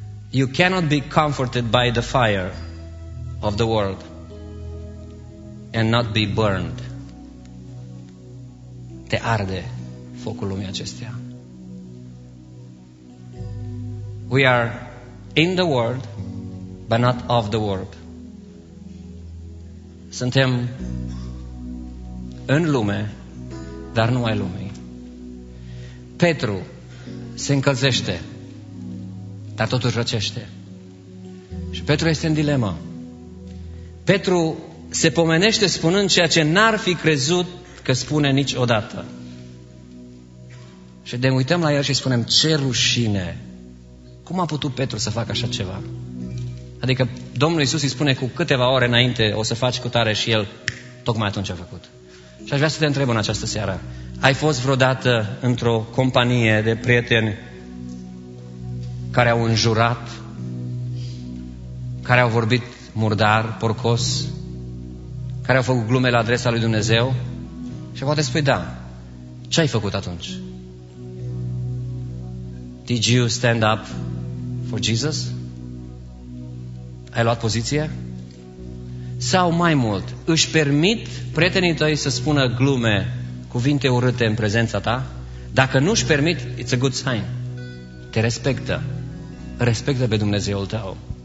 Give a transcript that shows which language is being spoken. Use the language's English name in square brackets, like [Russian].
[English] You cannot be comforted by the fire of the world and not be burned. [Romanian] Te arde focul lumii acesteia. [English] We are in the world, but not of the world. [Romanian] Suntem în lume, dar nu ai lumii. Petru se încălzește, dar totuși răcește. Și Petru este în dilemă. Petru se pomenește spunând ceea ce n-ar fi crezut că spune niciodată. Și ne uităm la el și spunem, ce rușine! Cum a putut Petru să facă așa ceva? Adică Domnul Iisus îi spune cu câteva ore înainte o să faci cu tare și el tocmai atunci a făcut. Și aș vrea să te întreb în această seară, ai fost vreodată într-o companie de prieteni care au înjurat, care au vorbit murdar, porcos, care au făcut glume la adresa lui Dumnezeu? Și poate spui, da, ce ai făcut atunci? [English] Did you stand up for Jesus? [Romanian] Ai luat poziție? Sau mai mult, își permit prietenii tăi să spună glume, cuvinte urâte în prezența ta? Dacă nu își permit, [English] it's a good sign. [Romanian] Te respectă. Respectă pe Dumnezeul tău.